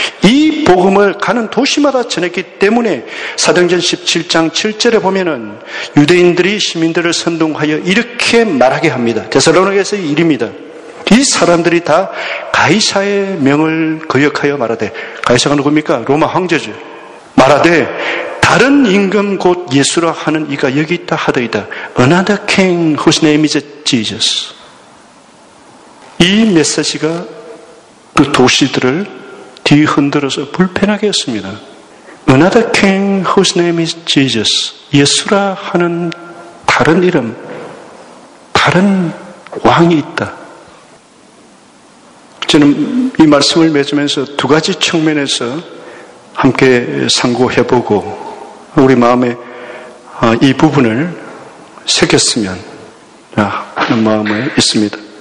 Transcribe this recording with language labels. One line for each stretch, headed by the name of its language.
Korean: 이 복음을 가는 도시마다 전했기 때문에 사도행전 17장 7절에 보면은 유대인들이 시민들을 선동하여 이렇게 말하게 합니다. 데살로니가서의 일입니다. 이 사람들이 다 가이사의 명을 거역하여 말하되, 가이사가 누굽니까? 로마 황제죠. 말하되 다른 임금 곧 예수라 하는 이가 여기 있다 하더이다.
English: Another king whose name is Jesus.
Korean: 이 메시지가 그 도시들을 뒤흔들어서 불편하게 했습니다.
English: Another king whose name is Jesus.
Korean: 예수라 하는 다른 이름, 다른 왕이 있다. 저는 이 말씀을 맺으면서 두 가지 측면에서 함께 상고해보고 우리 마음에 이 부분을 새겼으면 하는 마음이 있습니다.